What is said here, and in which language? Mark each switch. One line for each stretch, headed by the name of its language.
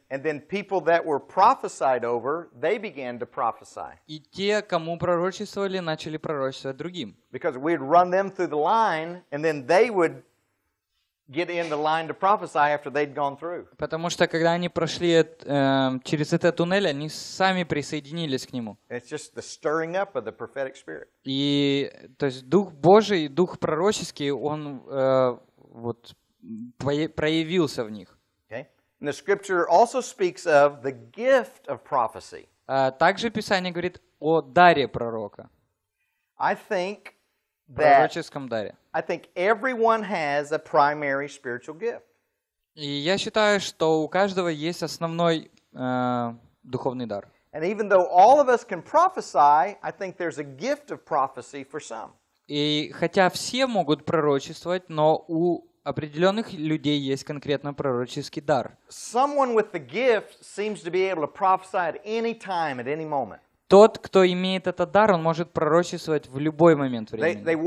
English: And then people that were prophesied over, they began to prophesy.
Russian: И те, кому пророчествовали, начали пророчествовать другим.
English: Because we'd run them through the line, and then they would get in the line to prophesy after they'd gone through.
Russian: Потому что когда они прошли через этот туннель, они сами присоединились к нему.
English: It's just the stirring up of the prophetic spirit.
Russian: И то есть дух Божий, дух пророческий, он вот проявился в них.
English: Okay. And the scripture also speaks of the gift of prophecy.
Russian: Также Писание говорит о даре пророка.
English: I think
Russian: пророческом даре.
English: I think everyone has a primary spiritual gift.
Russian: И я считаю, что у каждого есть основной духовный дар.
English: And even though all of us can prophesy, I think there's a gift of prophecy for some.
Russian: И хотя все могут пророчествовать, но у определенных людей есть конкретно пророческий дар.
English: Someone with the gift seems to be able to prophesy at any time, at any moment.
Russian: Тот, кто имеет этот дар, он может пророчествовать в любой момент времени.